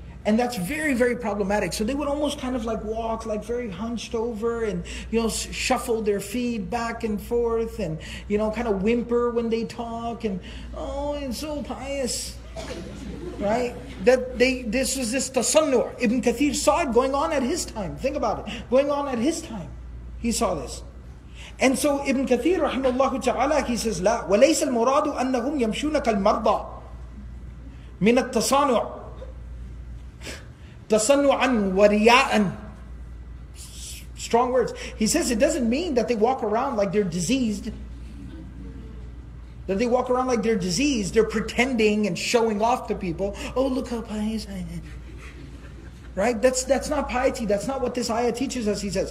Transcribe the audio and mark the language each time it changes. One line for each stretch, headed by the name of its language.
English: And that's very, very problematic. So they would almost kind of like walk like very hunched over, and you know, shuffle their feet back and forth, and you know, kind of whimper when they talk, and oh, and so pious. Right? This was this tasannu'. Ibn Kathir saw it going on at his time. Think about it. Going on at his time. He saw this. And so Ibn Kathir rahimahullah ta'ala, he says,
Arabic: لا وليس المراد أنهم يمشون كالمرضى من التصانع تصنعا ورياء.
English: Strong words. He says it doesn't mean that they walk around like they're diseased. That they walk around like they're diseased. They're pretending and showing off to people. Oh, look how pious I am. Right? That's not piety. That's not what this ayah teaches us, he says.